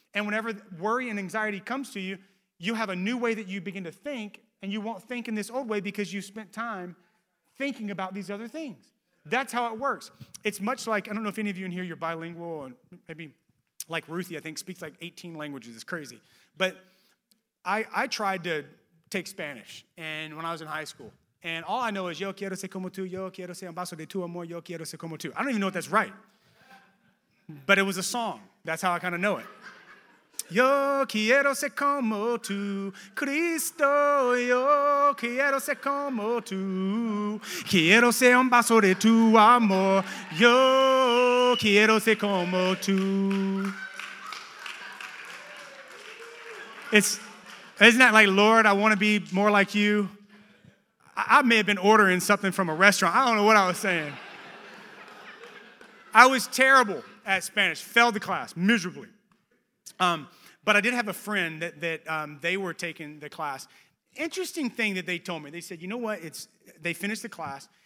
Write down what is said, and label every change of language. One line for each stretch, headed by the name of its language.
English: And whenever worry and anxiety comes to you, you have a new way that you begin to think and you won't think in this old way because you spent time thinking about these other things. That's how it works. It's much like, I don't know if any of you in here, you're bilingual, and maybe like Ruthie, I think, speaks like 18 languages. It's crazy. But I tried to take Spanish and when I was in high school. And all I know is,
Spanish: yo quiero ser como tú, yo quiero ser un vaso de tu amor, yo quiero ser como tú.
English: I don't even know if that's right. But it was a song. That's how I kind of know it.
Spanish: Yo quiero ser como tú, Cristo, yo quiero ser como tú, quiero ser un vaso de tu amor, yo quiero ser como tú.
English: Isn't that like, Lord, I want to be more like you? I may have been ordering something from a restaurant. I don't know what I was saying. I was terrible at Spanish, failed the class miserably. But I did have a friend that they were taking the class. Interesting thing that they told me. They said, you know what? They finished the class,